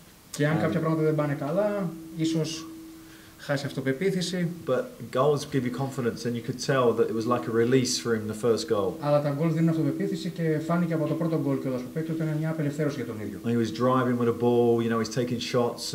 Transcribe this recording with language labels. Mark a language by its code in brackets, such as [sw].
[el] Και αν κάποια πράγματα δεν πάνε καλά, ίσως. Χάσει αυτοπεποίθηση. [en] But goals give you confidence, and you could tell that it was like a release for him the first goal. [el] Αλλά τα γκολ δίνουν αυτοπεποίθηση και φάνηκε από το πρώτο γκολ και όλος που παίκτης ήταν μια απελευθέρωση για τον ίδιο. [en] He was driving with a ball, you know, he's taking shots.